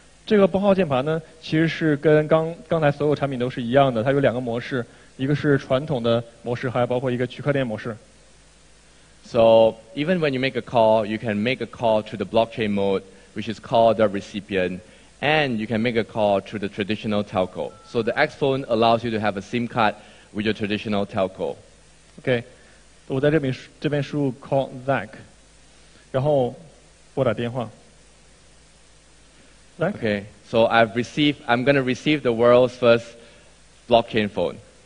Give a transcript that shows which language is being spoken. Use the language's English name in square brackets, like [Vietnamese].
[Chinese] 这个拨号键盘呢，其实是跟刚才所有产品都是一样的，它有两个模式，一个是传统的模式，还包括一个区块链模式。 [English] So even when you make a call, you can make a call to the blockchain mode, which is called the recipient. And you can make a call through the traditional telco. So the XPhone allows you to have a SIM card with your traditional telco. Okay. [Chinese] 我在这边输入 call Zach. 然后拨打电话。 [English] Zach? Okay. So I'm going to receive the world's first blockchain phone.